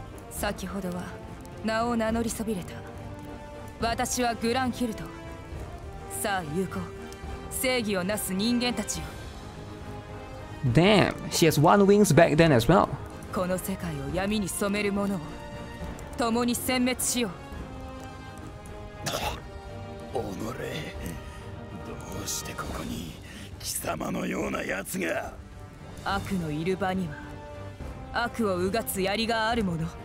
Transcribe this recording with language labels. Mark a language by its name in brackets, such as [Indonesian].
[Japanese] 先ほどは名を名乗りそびれた。私はグランヒルド。さあ有効、正義をなす人間たちよ。 [English] Damn, she has one wings back then as well. [Japanese] この世界を闇に染める者を共に殲滅しよう。おのれ、どうしてここに貴様のような奴が。悪のいる場には悪をうがつ槍があるもの。